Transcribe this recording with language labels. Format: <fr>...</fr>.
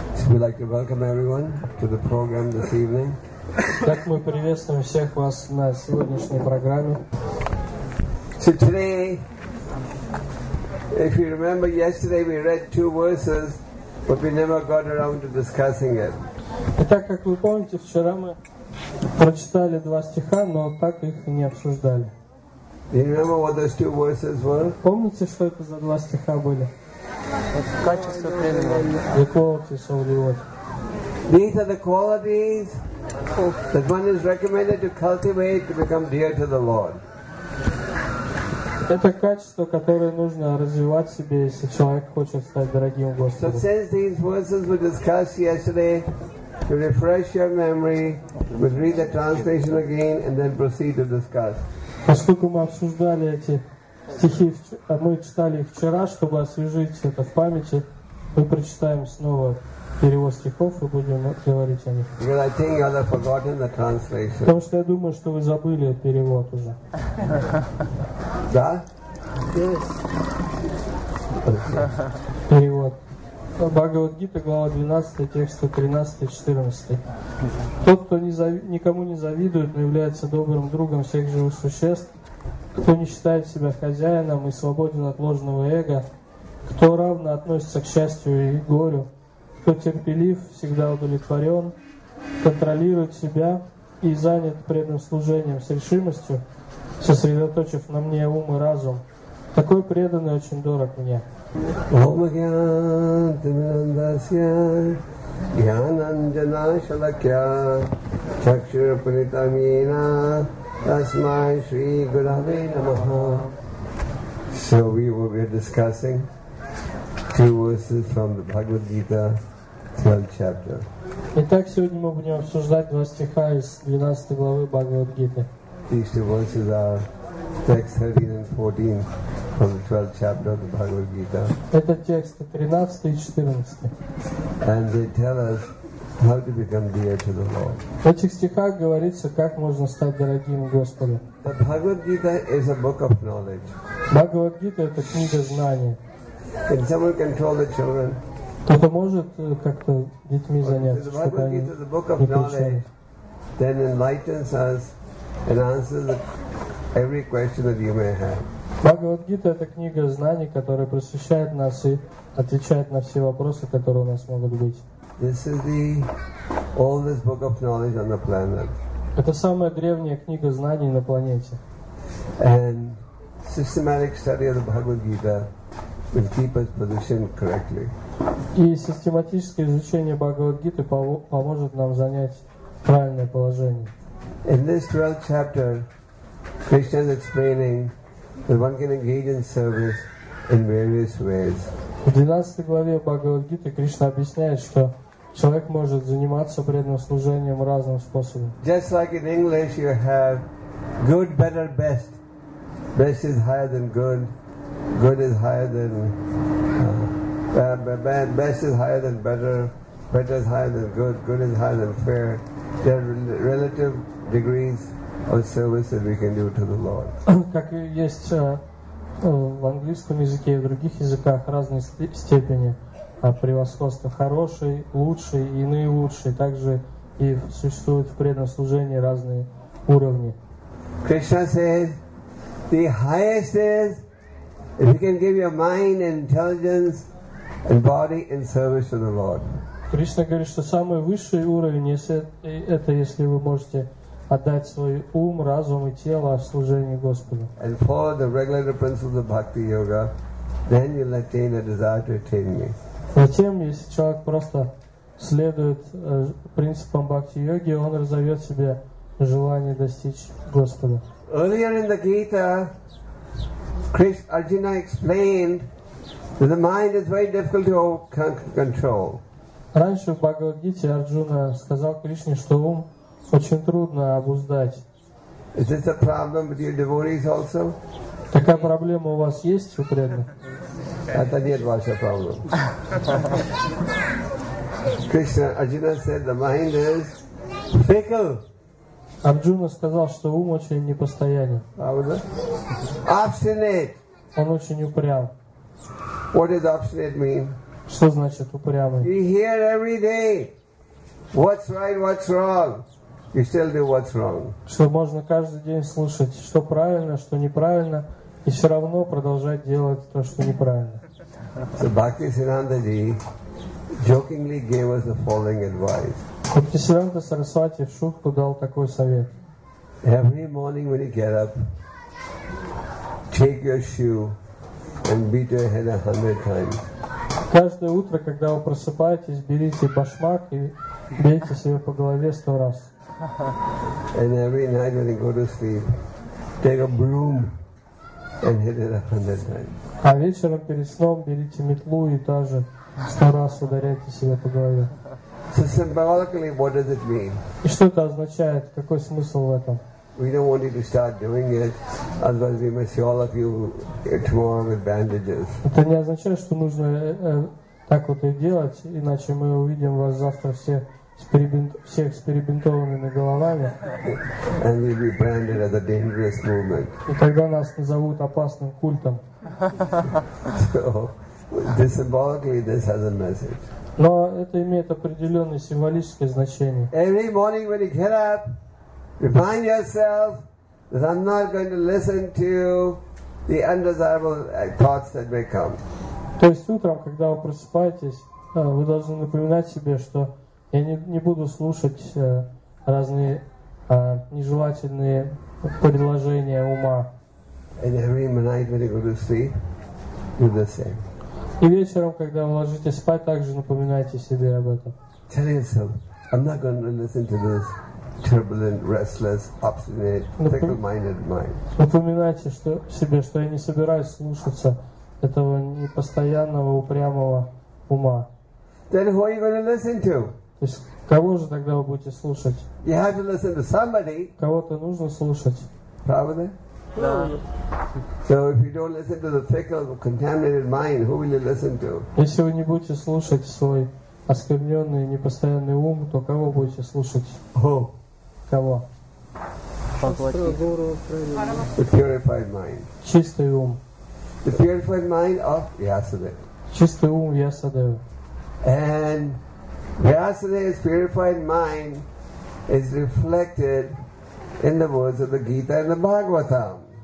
<en>We'd like to welcome everyone to the program this evening.</en> <ru>Так мы приветствуем всех вас на сегодняшней программе.</ru> <en>So today, if you remember, yesterday we read two verses, but we never got around to discussing it.</en> <ru>Итак, как вы помните, вчера мы прочитали два стиха, но так их и не обсуждали.</ru> <en>Do you remember what those two verses were?</en> <ru>Помните, что это за два стиха были? Качество преданного.</ru> <en>These are the qualities that one is recommended to cultivate to become dear to the Lord.</en> <ru>Это качество, которое нужно развивать в себе, если человек хочет стать дорогим Господу.</ru> <en>So since these verses were discussed yesterday, to refresh your memory, we'll read the translation again and then proceed to discuss.</en> <ru>Поскольку мы обсуждали эти стихи, мы читали их вчера, чтобы освежить это в памяти, мы прочитаем снова перевод стихов и будем говорить о них.</ru> <en>Well, I think you have forgotten the translation.</en> <ru>Потому что я думаю, что вы забыли перевод уже. Да?</ru> <en>Yes.</en> <ru>Перевод. Бхагавад-гита, глава 12, тексты 13-14. Тот, кто никому не завидует, но является добрым другом всех живых существ, кто не считает себя хозяином и свободен от ложного эго, кто равно относится к счастью и горю, кто терпелив, всегда удовлетворен, контролирует себя и занят преданным служением с решимостью, сосредоточив на мне ум и разум. Такой преданный очень дорог мне.</ru> <sa>Ом Агьянтамидандасья Гьянанджана Шалакья Чакширапанитамьена Тасмай Шри Гуравэ Намаха.</sa> <en>So we're discussing two verses from the Bhagavad Gita, 12th chapter.</en> <ru>Итак, сегодня мы будем обсуждать два стиха из 12 главы Бхагавад Гиты.</ru> <en>These two verses are text 13 and 14 from the 12th chapter of the Bhagavad Gita.</en> <ru>Это тексты 13 и 14.</ru> <en>And they tell us how to become dear to the Lord.</en> <ru>В этих стихах говорится, как можно стать дорогим Господу.</ru> <en>The Bhagavad Gita is a book of knowledge.</en> <ru>Bhagavad Gita – это книга знаний.</ru> <en>Can someone control the children?</en> <ru>Кто-то может как-то детьми заняться, чтобы они не</ru> <en>The Bhagavad Gita is a book of knowledge that enlightens us and answers every question that you may have.</en> <ru>Бхагавад-гита – это книга знаний, которая просвещает нас и отвечает на все вопросы, которые у нас могут быть.</ru> <en>This is the oldest book of knowledge on the planet.</en> <ru>Это самая древняя книга знаний на планете.</ru> <en>And systematic study of the Bhagavad-gita will keep us positioned correctly.</en> <ru>И систематическое изучение Бхагавад-гиты поможет нам занять правильное положение.</ru> <en>In this 12th chapter, Krishna is explaining that one can engage in service in various ways.</en> <ru>В 12 главе Бхагавад-гиты Кришна объясняет, что человек может заниматься преданным служением разным способом.</ru> <en>Just like in English you have good, better, best. Best is higher than good. Good is higher than bad. Best is higher than better. Better is higher than good. Good is higher than fair. There are relative degrees or service that we can do to the Lord.</en> <ru>Как есть в английском языке и в других языках разные степени превосходства. Хороший, лучший и наилучший. Также и существуют в преданном служении разные уровни.</ru> <en>Krishna says, the highest is if you can give your mind and intelligence and body in service to the Lord.</en> <ru>Кришна говорит, что самый высший уровень, если вы можете отдать свой ум, разум и тело в служении Господу.</ru> <en>And follow the regulative principles of bhakti yoga, then you'll attain a desire to attain me.</en> <ru>Затем, если человек просто следует принципам бхакти йоги, он разовьет в себе желание достичь Господа.</ru> <en>Earlier in the Gita, Arjuna explained that the mind is very difficult to control.</en> <ru>Раньше в Бхагавад-гите Арджуна сказал Кришне, что ум очень трудно обуздать.</ru> <en>Is this a problem with your devotees also?</en> <ru>Такая проблема у вас есть, у преданных? Это нет ваша проблема.</ru> <en>Krishna Arjuna said the mind is fickle.</en> <ru>Arjuna сказал, что ум очень непостоянен.</ru> <en>Obstinate.</en> <ru>Он очень упрям.</ru> <en>What does obstinate mean?</en> <ru>Что значит упрямый?</ru> <en>You hear every day what's right, what's wrong. You still do what's wrong.</en> <ru>Что можно каждый день слушать, что правильно, что неправильно, и все равно продолжать делать то, что неправильно.</ru> <en>So Bhakti Siddhanta Ji jokingly gave us the following advice.</en> <ru>Bhakti Siddhanta Sarasvati в шутку дал такой совет.</ru> <en>Every morning when you get up, take your shoe and beat your head 100 times.</en> <ru>Каждое утро, когда вы просыпаетесь, берите башмак и бейте себе по голове 100 раз.</ru> <en>And every night when you go to sleep, take a broom and hit it 100 times.</en> <ru>А вечером перед сном берите метлу и даже 100 раз ударяйте себе по голове.</ru> <en>So symbolically, what does it mean?</en> <ru>И что это означает? Какой смысл в этом?</ru> <en>We don't want you to start doing it, otherwise we may see all of you here tomorrow with bandages.</en> <ru>Это не означает, что нужно так вот и делать, иначе мы увидим вас завтра всех с перебинтованными головами.</ru> <en>And we'll be branded as a dangerous movement.</en> <ru>И тогда нас назовут опасным культом.</ru> <en>So, symbolically, this has a message.</en> <ru>Но это имеет определенное символическое значение.</ru> <en>Every morning when you get up, remind yourself that I'm not going to listen to the undesirable thoughts that may come.</en> <ru>То есть утром, когда вы просыпаетесь, вы должны напоминать себе, что я не буду слушать разные нежелательные предложения ума.</ru> <en>And every night when you go to sleep, do the same.</en> <ru>И вечером, когда вы ложитесь спать, также напоминайте себе об этом.</ru> <en>Tell yourself, I'm not going to listen to this turbulent, restless, obstinate, fickle-minded mind.</en> <ru>Напоминайте себе, что я не собираюсь слушаться этого непостоянного, упрямого ума.</ru> <en>Then who are you going to listen to?</en> <ru>То есть, кого же тогда вы будете слушать?</ru> <en>You have to listen to somebody.</en> <ru>Кого-то нужно слушать. Правда?</ru> <en>So if you don't listen to the fickle, contaminated mind, who will you listen to?</en> <ru>Если вы не будете слушать свой оскверненный, непостоянный ум, то кого будете слушать?</ru> <en>Who?</en> <ru>Кого?</ru> <en>The purified mind.</en> <ru>Чистый ум.</ru> <en>The purified mind of Vyasadeva.</en> <ru>Чистый ум Vyasadeva.</ru> <en>And Vyasadeva's purified mind is reflected in the words of the Gita and the Bhagavatam.</en>